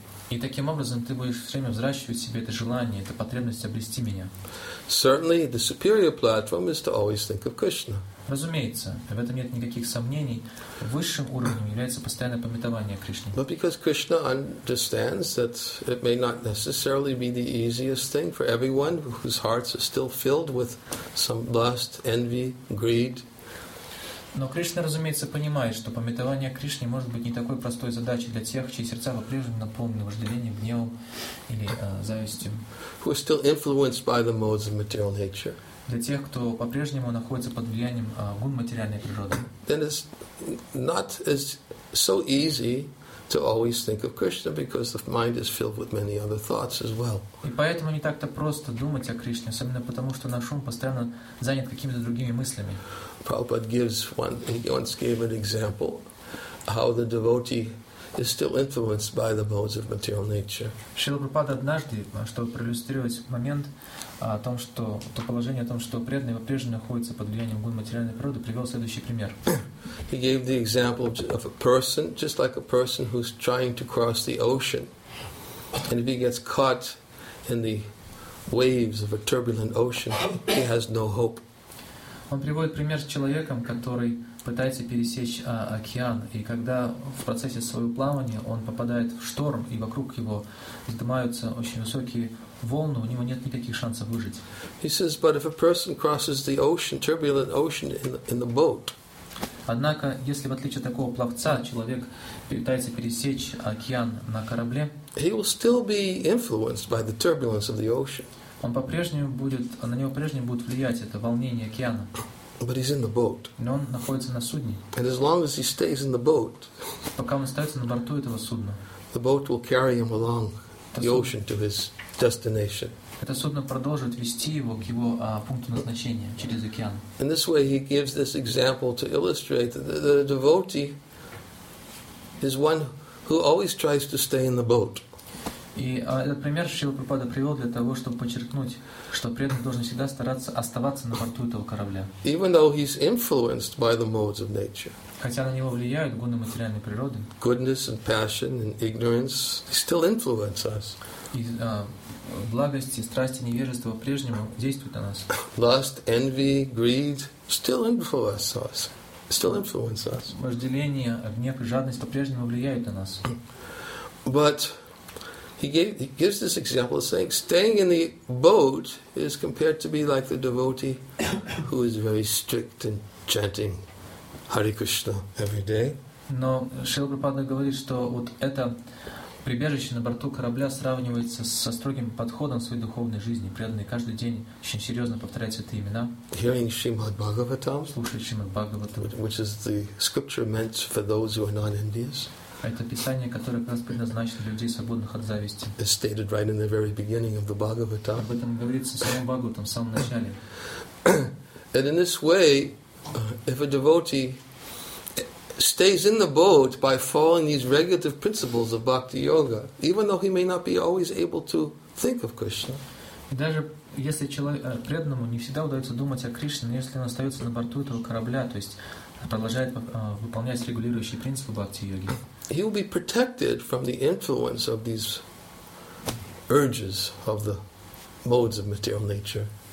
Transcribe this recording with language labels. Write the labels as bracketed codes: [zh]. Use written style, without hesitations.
[ru] И таким образом ты будешь все время взращивать в себе это желание, эту потребность обрести меня. [en] Certainly, the superior platform is to always think of Krishna. [ru] Разумеется, в этом нет никаких сомнений. Высшим уровнем является постоянное памятование о Кришне. [en] But because Krishna understands that it may not necessarily be the easiest thing for everyone whose hearts are still filled with some lust, envy, greed. [ru] Но Кришна, разумеется, понимает, что памятование Кришне может быть не такой простой задачей для тех, чьи сердца по-прежнему наполнены вожделением, гневом или завистью. [en] Who are still influenced by the modes of material nature. [ru] Для тех, кто по-прежнему находится под влиянием гун материальной природы. [en] Then it's not as so easy to always think of Krishna because the mind is filled with many other thoughts as well. [ru] И поэтому не так-то просто думать о Кришне, особенно потому, что наш ум постоянно занят какими-то другими мыслями. [en] Prabhupada gives one, he once gave an example how the devotee is still influenced by the modes of material nature. [ru] Шрила Прабхупада однажды, чтобы проиллюстрировать момент о том, что то положение о том, что преданный по-прежнему находится под влиянием гун материальной природы, привел следующий пример. [en] He gave the example of a person, just like a person who's trying to cross the ocean. And if he gets caught in the waves of a turbulent ocean, he has no hope. [ru] Он приводит пример с человеком, который пытается пересечь океан, и когда в процессе своего плавания он попадает в шторм, и вокруг его вздымаются очень высокие волны, у него нет никаких шансов выжить. [en] He says, but if a person crosses the ocean, turbulent ocean in the boat. [ru] Однако, если в отличие от такого пловца человек пытается пересечь океан на корабле, [en] he will still be influenced by the turbulence of the ocean. [ru] Он по-прежнему будет, на него по-прежнему будет влиять это волнение океана. [en] But he's in the boat. [ru] Но он находится на судне. [en] And as long as he stays in the boat, [ru] пока он остается на борту этого судна, [en] the boat will carry him along the ocean to his destination. [ru] Это судно продолжит вести его к его пункту назначения через океан. [en] In this way, he gives this example to illustrate that the devotee is one who always tries to stay in the boat. [ru] И этот пример Шрила Прабхупада привел для того, чтобы подчеркнуть, что преданный должен всегда стараться оставаться на борту этого корабля. [en] Even though he's influenced by the modes of nature. [ru] Хотя на него влияют гуны материальной природы. [en] Goodness and passion and ignorance still influence us. [ru] И благость, страсть и невежество по-прежнему действуют на нас. [en] Lust, envy, greed still influence us. Still influence us. [ru] Вожделение, гнев и жадность по-прежнему влияют на нас. [en] But He gives this example of saying staying in the boat is compared to be like the devotee who is very strict in chanting Hare Krishna every day. [ru] Но Шрила Прабхупада говорит, что вот это прибежище на борту корабля сравнивается со строгим подходом своей духовной жизни, преданный каждый день очень серьезно повторять эти имена. [en] Hearing Srimad Bhagavatam, [ru] слушать Шримад Бхагаватам, [en] which is the scripture meant for those who are non-Indians. [ru] Это писание, которое как раз предназначено для людей, свободных от зависти. [en] It's stated right in the very beginning of the Bhagavata. [ru] Об этом говорится в самом Бхагаватам, в самом начале. [en] And in this way, if a devotee stays in the boat by following these regulative principles of bhakti yoga, even though he may not be always able to think of Krishna. [ru] Даже если преданному не всегда удается думать о Кришне, но если он остается на борту этого корабля, то есть продолжает выполнять регулирующие принципы бхакти йоги. [en] He will be protected from the influence of these urges of the modes of material nature.